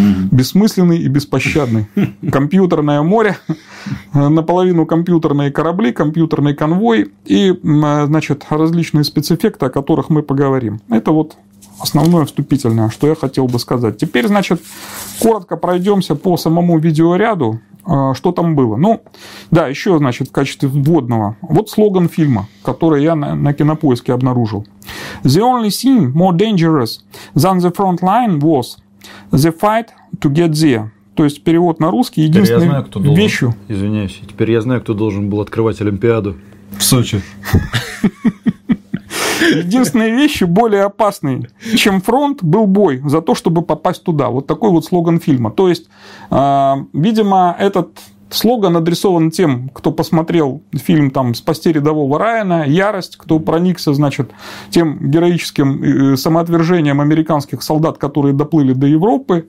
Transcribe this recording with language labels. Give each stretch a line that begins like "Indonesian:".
Russian: Бессмысленный и беспощадный. Компьютерное море, наполовину компьютерные корабли, компьютерный конвой и, значит, различные спецэффекты, о которых мы поговорим. Это вот основное вступительное, что я хотел бы сказать. Теперь, значит, коротко пройдемся по самому видеоряду, что там было. Ну, да, еще, значит, в качестве вводного. Вот слоган фильма, который я на Кинопоиске обнаружил.
English: The only thing more dangerous than the front line was the fight to get there.
Russian: То есть, перевод на русский, единственной я знаю, кто должен, вещью. Извиняюсь, теперь я знаю, кто должен был открывать Олимпиаду в Сочи. Единственной вещью более опасной, чем фронт, был бой за то, чтобы попасть туда. Вот такой вот слоган фильма. То есть, видимо, этот слоган адресован тем, кто посмотрел фильм там «Спасти рядового Райана», «Ярость», кто проникся, значит, тем героическим самоотвержением американских солдат, которые доплыли до Европы.